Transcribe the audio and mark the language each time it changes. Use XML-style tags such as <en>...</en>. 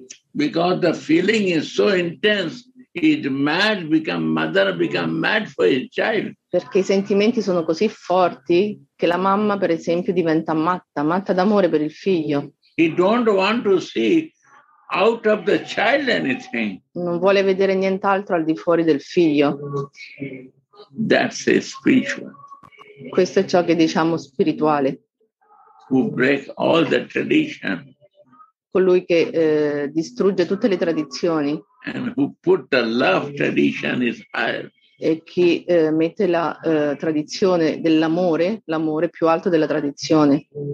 <en>Because the feeling is so intense, he's mad, become mother, become mad for his child.</en> <it>Perché i sentimenti sono così forti che la mamma, per esempio, diventa matta, matta d'amore per il figlio.</it> <en>He don't want to see out of the child anything.</en> <it>Non vuole vedere nient'altro al di fuori del figlio.</it> <en>That's a spiritual.</en> <it>Questo è ciò che diciamo spirituale.</it> <en>Who break all the tradition.</en> <it>Colui che distrugge tutte le tradizioni.</it> <en>And who put the love tradition is higher.</en> <it>E chi mette la tradizione dell'amore, l'amore più alto della tradizione.</it>